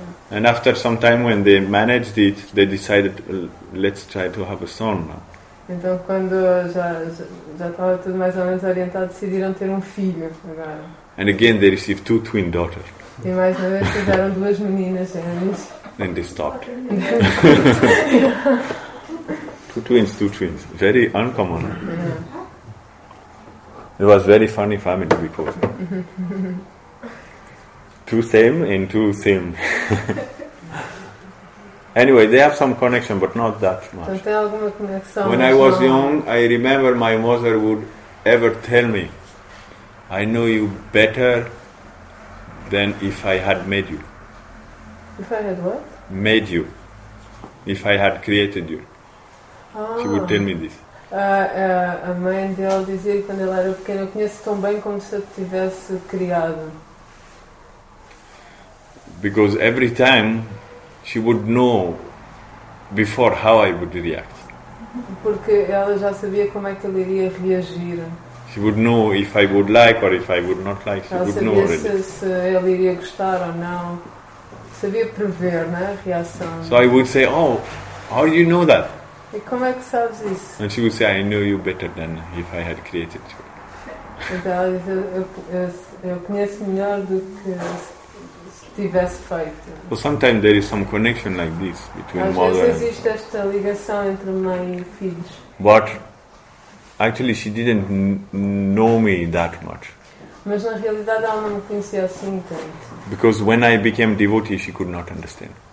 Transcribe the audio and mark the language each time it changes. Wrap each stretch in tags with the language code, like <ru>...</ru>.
<en>And after some time when they managed it, they decided, let's try to have a son now.</en> <pt>Então quando já estava tudo mais ou menos orientado, decidiram ter filho agora.</pt> <en>And again they received 2 twin daughters.</en> <pt>E mais uma vez tiveram 2 meninas.</pt> <en>And they stopped. 2 twins, 2 twins. Very uncommon. Yeah. It was very funny family because 2 same and 2 same. Anyway, they have some connection, but not that much.</en> <pt>Então, tem alguma conexão,</pt> <en>when I was young, I remember my mother would ever tell me, I know you better than if I had made you. If I had what? Made you. If I had created you. She would tell me this.</en> <pt>A mãe dela dizia quando ela era pequena, eu conheço tão bem como se eu te tivesse criado.</pt> <en>Because every time she would know before how I would react.</en> <pt>Porque ela já sabia como é que ele iria reagir.</pt> <en>She would know if I would like or if I would not like. She</en> <pt>ela</pt> <en>would</en> <pt>sabia</pt> <en>know already.</en> <pt>Se ele iria gostar ou não. Sabia prever, né, a reação.</pt> <en>So I would say, oh, how do you know that?</en> <pt>E como é que sabes isso?</pt> <en>And she would say, I know you better than if I had created you.</en> <pt>Então ela diz, eu conheço melhor do que se tivesse feito.</pt> <en>Well, sometimes there is some connection like this between mother and...</en> <pt>Às vezes existe esta ligação entre mãe e filhos.</pt> <en>But actually she didn't know me that much.</en> <pt>Mas na realidade ela não me conhecia assim tanto.</pt> <en>Because when I became devotee she could not understand.</en>